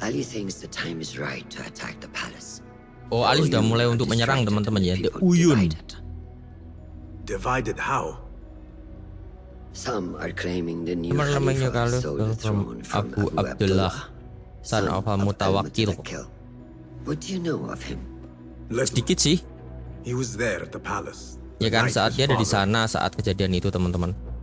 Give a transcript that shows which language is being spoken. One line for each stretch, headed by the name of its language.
English: Ali thinks the time is right to attack the palace.
Indonesian: Oh, Ali sudah mulai untuk menyerang teman-teman ya.
English: The Uyun. Divided how? Some are claiming the new Khalifa stole the throne from Abu Abdullah. Son of a Mutawakil. What do you know of him?
Indonesian: Sedikit sih.
English: He was there at the palace.
Indonesian: Ya kan, saat dia ada di sana saat kejadian itu, teman-teman.